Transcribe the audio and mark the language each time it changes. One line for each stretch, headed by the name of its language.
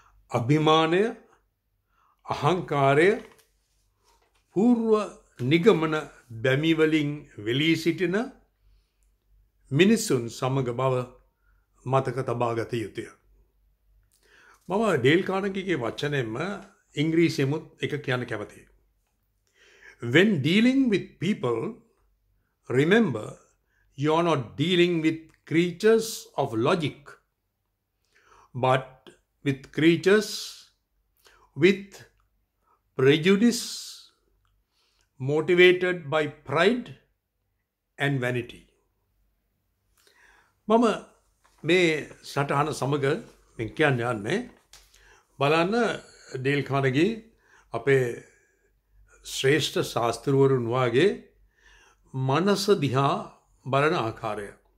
Sinhala: අභිමානය, අහංකාරය, పూర్ව නිගමන බැමිවලින් වෙලී සිටින මිනිසුන් සමග බව මතක තබා ගත යුතුය. මම ඩේල් කානගීගේ වචනයෙන්ම ඉංග්‍රීසියෙමුත් එක කියන්න කැමතියි.
English: When dealing with people, remember you are not dealing with creatures of logic, but with creatures with prejudice, motivated by pride and vanity.
Sinhala: මම මේ සටහන සමග මම කියන්න යන්නේ බලන්න ඩේල් කානගී අපේ ශ්‍රේෂ්ඨ ශාස්ත්‍රවරුන් වාගේ මනස දිහා බලන ආකාරය.